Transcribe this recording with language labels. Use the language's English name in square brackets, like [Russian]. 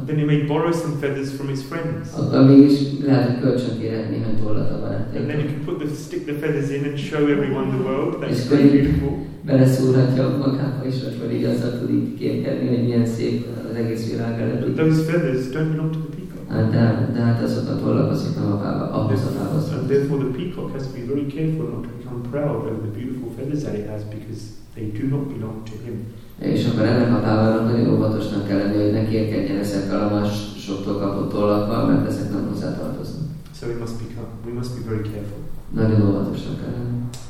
[English] then he may borrow some feathers from his friends. [Hungarian] Akkor mégis lehet, hogy kölcsön kérhet néhány tollat a barátjától. [English] And then you can put the stick the feathers in and show everyone the world. That's very beautiful. [Hungarian] Beleszúrhatja a magába is, hogy pedig azzal tud így kérkedni, hogy milyen szép az egész világ előtt. [English] But those feathers don't belong to the peacock. [Hungarian] De hát azok a tollak, azok nem a pává, ahhoz a pávhoz. [English] And therefore the peacock has to be very careful not to become proud of the beautiful feathers that it has, because they do not belong to him. [Hungarian] És akkor ennek a pávának nagyon óvatosnak kell lenni, hogy ne kérkedjen ezekkel a másoktól kapott tollakkal, mert ezek nem hozzátartoznak. [English] So we must be very careful. [Hungarian] Nagyon óvatosnak kell lenni.